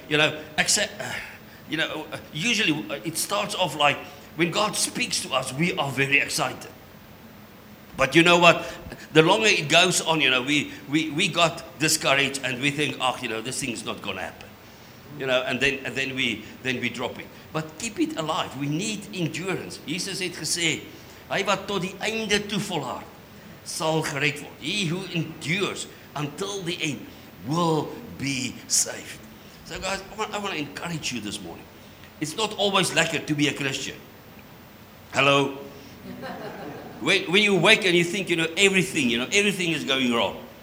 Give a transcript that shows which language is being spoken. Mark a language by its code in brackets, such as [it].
[en] You know, usually it starts off like when God speaks to us, we are very excited. But you know what? The longer it goes on, you know, we got discouraged and we think, oh, you know, this thing's not going to happen. You know, and then we drop it. But keep it alive. We need endurance. [af] Jesus het gesê, hy wat tot die einde toe volhard, sal gered word. [en] He who endures until the end will be saved. So guys, I want to encourage you this morning. It's not always lekker to be a Christian. Hello? When you wake and you think, you know, everything is going wrong.